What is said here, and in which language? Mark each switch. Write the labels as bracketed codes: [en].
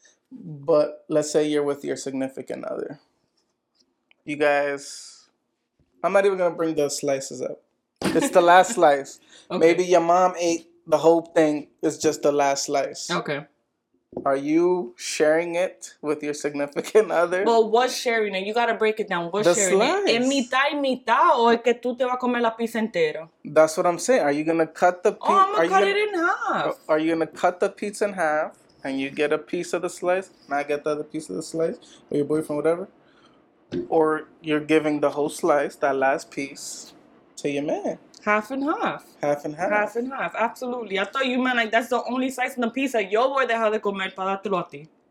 [en] But let's say you're with your significant other. You guys, I'm not even going to bring those slices up. It's the last slice. Okay. Maybe your mom ate the whole thing. It's just the last slice. Okay. Are you sharing it with your significant other? Well, what's sharing it? You got to break it down. What's the sharing slice? [es] ¿En mitad y mitad o es que tú te vas a comer la pizza entera? [en] That's what I'm saying. Are you going to cut the pizza? Oh, I'm going to cut it in half. Are you going to cut the pizza in half and you get a piece of the slice and I get the other piece of the slice or your boyfriend, whatever? Or you're giving the whole slice, that last piece, to your man? Half and half. Half and half. Half and half. Absolutely. I thought you meant like that's the only slice in the pizza. [es] Yo voy a dejar de comer para dártelo a ti.